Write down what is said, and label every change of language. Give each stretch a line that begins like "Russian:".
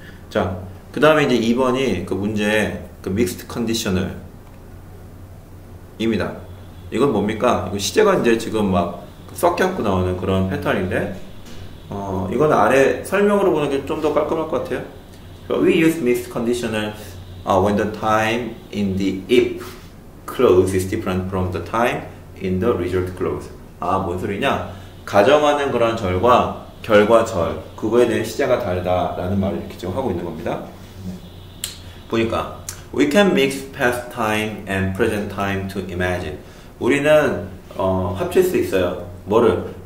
Korean: 자, 그 다음에 이제 2번이 그 문제의 그 mixed conditional입니다. 이건 뭡니까? 이거 시제가 이제 지금 막 섞여갖고 나오는 그런 패턴인데, 이건 아래 설명으로 보는 게 좀 더 깔끔할 것 같아요.
English: So we use mixed conditional when the time in the if clause is different from the time in the result clause.
Korean: 아, 뭔 소리냐? 가정하는 그런 절과 결과 절, 그거에 대한 시제가 다르다라는 말을 이렇게 지금 하고 있는 겁니다. 보니까,
English: we can mix past time and present time to imagine.
Korean: 우리는, 합칠 수 있어요. 뭐를?